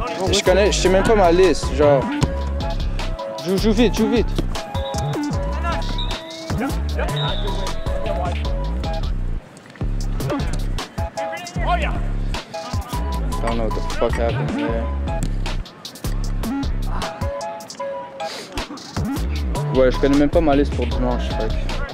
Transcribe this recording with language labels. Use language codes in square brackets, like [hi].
[fr] Je connais, je sais même pas ma liste, genre... Joue vite. [en] I don't know what the fuck happened there. [fr] Ouais, je connais même pas ma liste pour dimanche, fuck.